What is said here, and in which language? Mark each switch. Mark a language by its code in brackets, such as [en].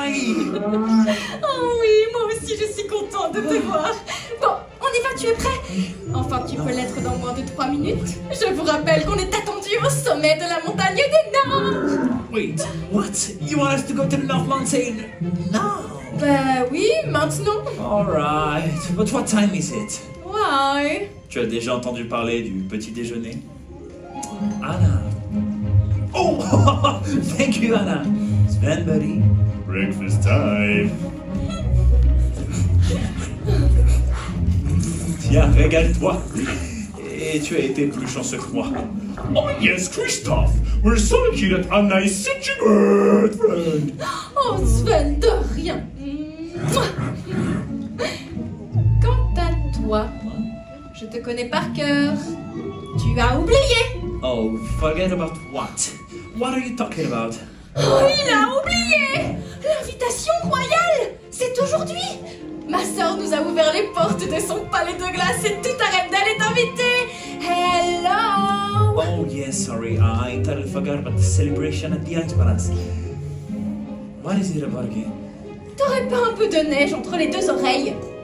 [fr] Oui, moi aussi je suis contente de te voir. Bon, on y va, tu es prêt? Enfin, tu peux l'être dans moins de 3 minutes. Je vous rappelle qu'on est attendu au sommet de la montagne des Nains. [en] Wait, what? You want us to go to the North Mountain now? [fr] Bah oui, maintenant. [en] Alright, but what time is it? Why? [fr] Tu as déjà entendu parler du petit déjeuner? [en] Anna. Oh, thank you, Anna. Sven, buddy. Breakfast time. [fr] Tiens, régale-toi. Et tu as été plus chanceux que moi. [en] Oh yes, Christophe. We're so lucky that Anna is such a good friend. [fr] Oh, Sven, de rien. Quant à toi, je te connais par cœur. Tu as oublié. [en] Oh, forget about what? What are you talking about? [fr] Oh, il a oublié! L'invitation royale, c'est aujourd'hui! Ma sœur nous a ouvert les portes de son palais de glace et tout arrête d'aller t'inviter! [en] Hello! Oh, yes, sorry, I totally forgot about the celebration at the ice palace. What is it about again? [fr] T'aurais pas un peu de neige entre les deux oreilles?